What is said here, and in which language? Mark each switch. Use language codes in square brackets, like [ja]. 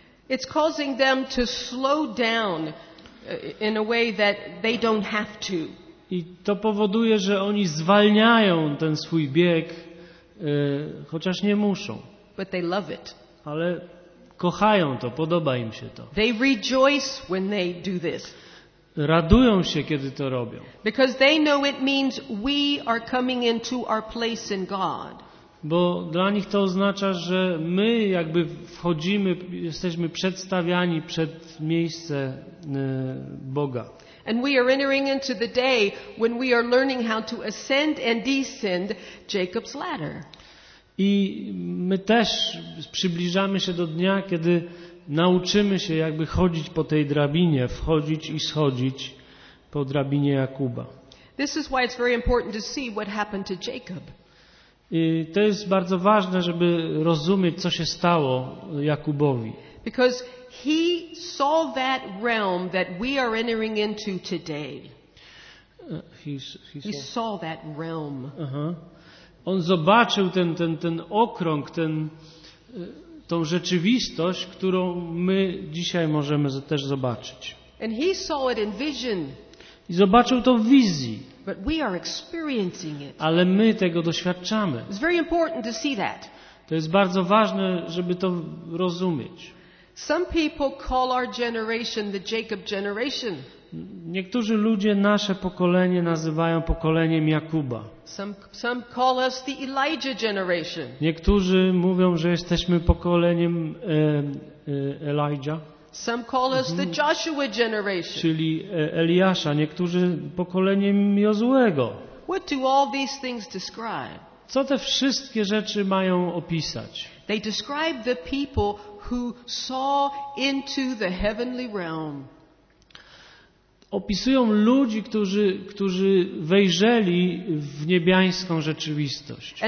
[en] It's causing them to slow down in a way that they don't have to. [pl] I to powoduje, że oni zwalniają ten swój bieg, chociaż nie muszą. [en] But they love it. [pl] Ale kochają to, podoba im się to. [en] They rejoice when they do this. [pl] Radują się, kiedy to robią. [en] Because they know it means we are coming into our place in God. [pl] Bo dla nich to oznacza, że my jakby wchodzimy, jesteśmy przedstawiani przed miejsce Boga. [en] And we are entering into the day when we are learning how to ascend and descend Jacob's ladder. [pl] I my też przybliżamy się do dnia, kiedy nauczymy się jakby chodzić po tej drabinie, wchodzić i schodzić po drabinie Jakuba. [en] This is why it's very important to see what happened to Jacob. [pl] I to jest bardzo ważne, żeby rozumieć, co się stało Jakubowi. [en] Because he saw that realm that we are entering into today. He saw that realm. [pl] On zobaczył ten okrąg, tą rzeczywistość, którą my dzisiaj możemy też zobaczyć. [en] And he saw it in vision. [pl] I zobaczył to w wizji. [en] But we are experiencing it. [pl] Ale my tego doświadczamy. [en] It's very important to see that. [pl] To jest bardzo ważne, żeby to rozumieć. [en] Some people call our generation the Jacob generation. [pl] Niektórzy ludzie nasze pokolenie nazywają pokoleniem Jakuba. [en] Some call us the Elijah generation. [pl] Niektórzy mówią, że jesteśmy pokoleniem Elijah. [en] Some call us the Joshua generation. [pl] Czyli Eliasza, niektórzy pokoleniem Jozuego. [en] What do all these things describe? [pl] Co te wszystkie rzeczy mają opisać? [en] They describe the people who saw into the heavenly realm. [pl] Opisują ludzi, którzy wejrzeli w niebiańską rzeczywistość.